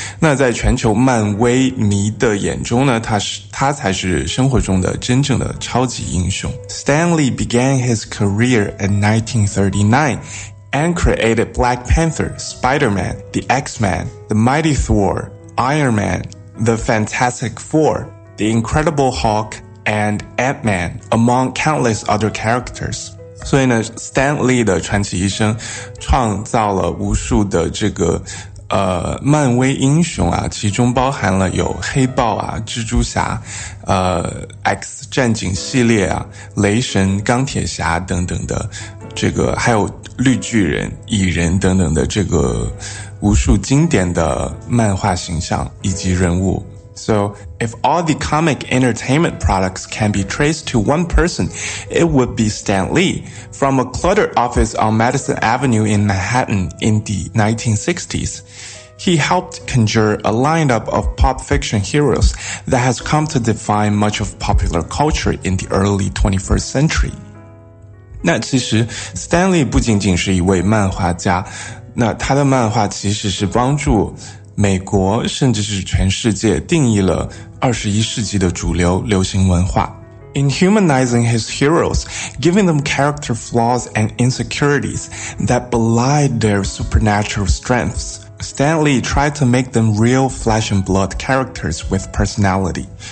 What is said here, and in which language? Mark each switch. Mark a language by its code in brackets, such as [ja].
[zh] 那在全球漫威迷的眼中呢，他才是生活中的真正的超级英雄。 [en] Stan Lee began his career in 1939 and created Black Panther, Spider-Man, The X-Men, The Mighty Thor, Iron Man, The Fantastic Four, The Incredible Hulk, and Ant-Man, among countless other characters. [zh] 所以呢 ,Stan Lee 的传奇一生创造了无数的这个漫威英雄啊，其中包含了有黑豹啊、蜘蛛侠、X 战警系列啊、雷神、钢铁侠等等的这个，还有绿巨人、蚁人等等的这个无数经典的漫画形象以及人物。 [en] So, if all the comic entertainment products can be traced to one person, it would be Stan Lee. From a cluttered office on Madison Avenue in Manhattan in the 1960s, he helped conjure a lineup of pop fiction heroes that has come to define much of popular culture in the early 21st century. [zh] 那其实 Stan Lee 不仅仅是一位漫画家，那他的漫画其实是帮助美国甚至是全世界定义了21世纪的主流流行文化。 [en] In humanizing his heroes, giving them character flaws and insecurities that belied their supernatural strengths, Stan Lee tried to make them real flesh and blood characters with personality.